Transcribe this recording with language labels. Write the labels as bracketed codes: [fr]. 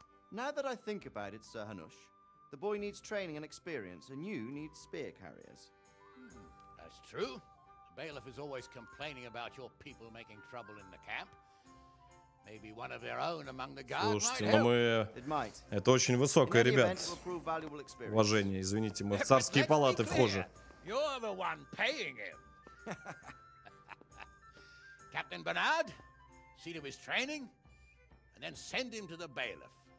[en] Now that I think about it, Sir Hanush, The boy needs training and experience, and you need spear carriers. That's true. The bailiff is always complaining about your people making trouble in the camp. Maybe one of their own among the guards. [ru] Слушайте, но мы... Это очень высокое, ребят. Уважение, извините, мы в царские палаты вхожи. [en] You're the one paying him. Captain Bernard, see to his training, and then send him to the bailiff.